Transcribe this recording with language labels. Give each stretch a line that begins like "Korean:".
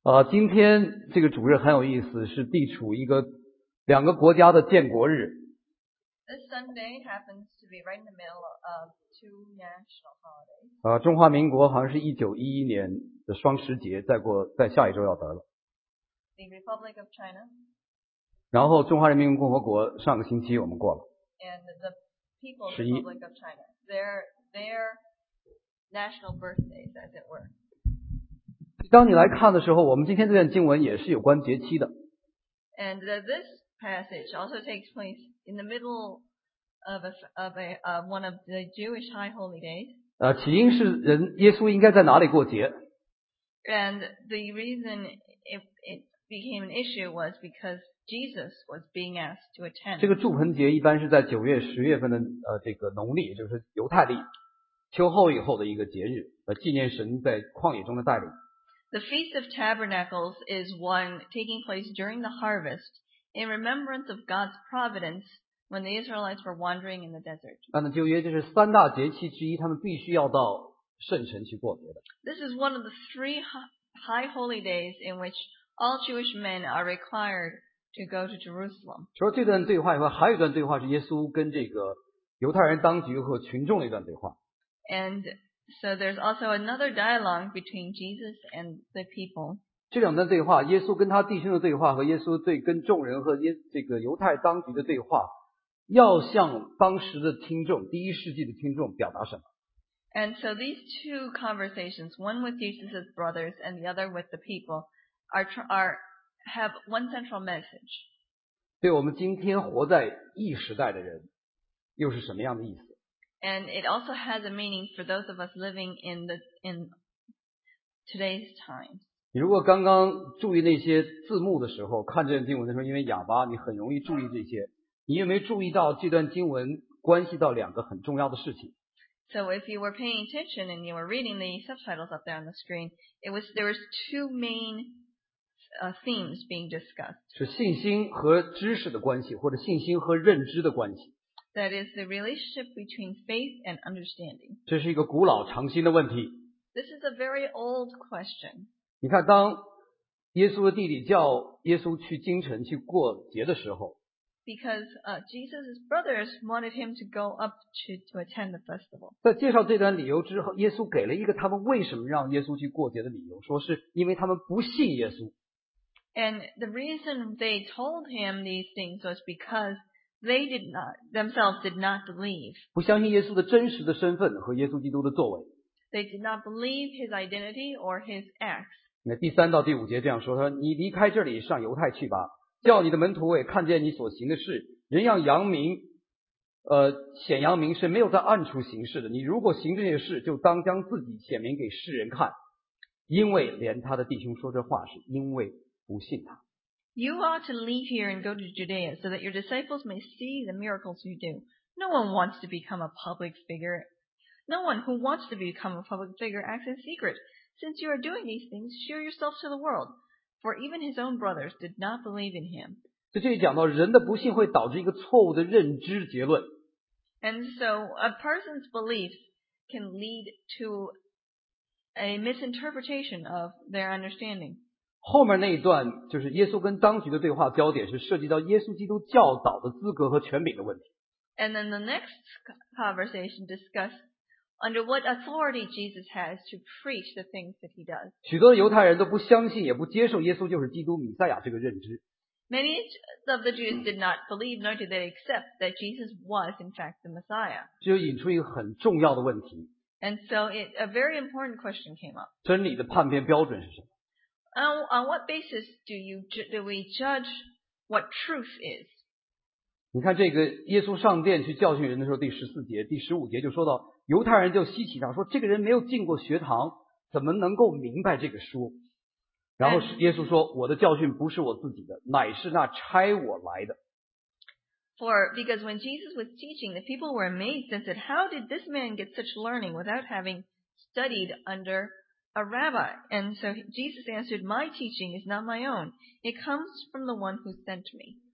Chinese: 今天这个主日很有意思，是地处一个两个国家的建国日。
English: This Sunday happens to be right in the middle of two national holidays.
Chinese: 中华民国好像是1911年的双十节，再下一周要得了。
English: The Republic of China.
Chinese: 然后中华人民共和国上个星期我们过了。
English: And the People's Republic of China. Their national birthdays, as it were.
Chinese: 当你来看的时候，我们今天这段经文也是有关节期的。
English: And this passage also takes place in the middle of one of the Jewish high holy days.
Chinese: 起因是人耶稣应该在哪里过节
English: ？And the reason it became an issue was because Jesus was being asked to attend.
Chinese: 这个祝棚节一般是在九月、十月份的这个农历，就是犹太历秋后以后的一个节日，纪念神在旷野中的带领。
English: The Feast of Tabernacles is one taking place during the harvest in remembrance of God's providence when the Israelites were wandering in the desert.
Chinese: 按照旧约就是三大节期之一，他们必须要到圣城去过节的。
English: This is one of the three high holy days in which all Jewish men are required to go to Jerusalem.
Chinese: 除了这段对话以外，还有一段对话是耶稣跟这个犹太人当局和群众的一段对话。
English: So there's also another dialogue between Jesus and the people.
Chinese: 这两段对话，耶稣跟他弟兄的对话和耶稣对跟众人和这个犹太当局的对话，要向当时的听众，第一世纪的听众表达什么？
English: And so these two conversations, one with Jesus' brothers and the other with the people, have one central message.
Chinese: 对我们今天活在异时代的人，又是什么样的意思？
English: And it also has a meaning for those of us living in today's time.
Chinese: 你如果刚刚注意那些字幕的时候，看这段经文的时候，因为哑巴，你很容易注意这些。你有没有注意到这段经文关系到两个很重要的事情
English: ？So if you were paying attention and you were reading the subtitles up there on the screen, there was two main themes being discussed.
Chinese: 是信心和知识的关系，或者信心和认知的关系。
English: That is the relationship between faith and understanding.
Chinese: 这是一个古老常新的问题。
English: This is a very old question.
Chinese: 你看，当耶稣的弟弟叫耶稣去京城去过节的时候
English: ，Because Jesus' brothers wanted him to go up to attend the festival.
Chinese: 在介绍这段理由之后，耶稣给了一个他们为什么让耶稣去过节的理由，说是因为他们不信耶稣。
English: And the reason they told him these things was because They did not themselves did not believe.
Chinese: 不相信耶稣的真实的身份和耶稣基督的作为。
English: They did not believe his identity or his acts.
Chinese: 那第三到第五节这样说，说你离开这里上犹太去吧，叫你的门徒也看见你所行的事。人要扬名，显扬名是没有在暗处行事的。你如果行这些事，就当将自己显明给世人看，因为连他的弟兄说这话是因为不信他。
English: You ought to leave here and go to Judea so that your disciples may see the miracles you do. No one wants to become a public figure. No one who wants to become a public figure acts in secret. Since you are doing these things, show yourself to the world. For even his own brothers did not believe in him.
Chinese: 所以这里讲到人的不信会导致一个错误的认知结论。
English: And so a person's belief can lead to a misinterpretation of their understanding.
Chinese: 后面那一段就是耶稣跟当局的对话，焦点是涉及到耶稣基督教导的资格和权柄的问题。
English: And then the next conversation discussed under what authority Jesus has to preach the things that he does.
Chinese: 许多犹太人都不相信，也不接受耶稣就是基督、弥赛亚这个认知。
English: Many of the Jews did not believe, nor did they accept that Jesus was in fact the Messiah.
Chinese: 这就引出一个很重要的问题。
English: And so a very important question came up.
Chinese: 真理的判别标准是什么？
English: On what basis do we judge what truth is?
Chinese: 你看这个耶稣上殿去教训人的时候，第十四节、第十五节就说到，犹太人就稀奇他，说这个人没有进过学堂，怎么能够明白这个书？然后耶稣说，我的教训不是我自己的，乃是那差我来的。
English: Because when Jesus was teaching, the people were amazed and said, "How did this man get such learning without having studied under?" A rabbi, and so Jesus answered, "My teaching is not my own; it comes from the one who sent me."